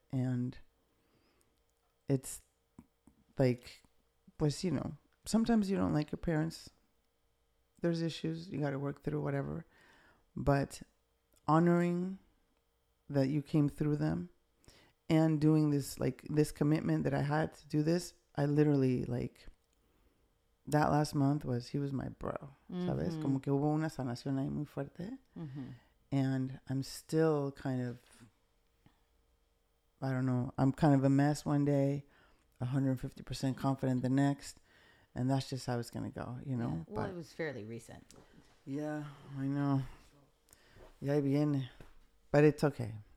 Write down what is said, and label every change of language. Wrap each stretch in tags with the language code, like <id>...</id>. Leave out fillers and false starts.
<en>And it's like,</en> <es>pues,</es> <en>you know, sometimes you don't like your parents. There's issues. You got to work through whatever. But honoring that you came through them and doing this, like this commitment that I had to do this, I literally like that last month was, he was my bro.</en> <es>Mm-hmm. ¿Sabes? Como que hubo una sanación ahí muy fuerte. Mm-hmm.</es> <en>And I'm still kind of, I don't know, I'm kind of a mess one day, 150% confident the next. And that's just how it's going to go, you know? Yeah. Well, but it was fairly recent. Yeah, I know.</en> <es>Ya viene.</es> <en>But it's okay.</en>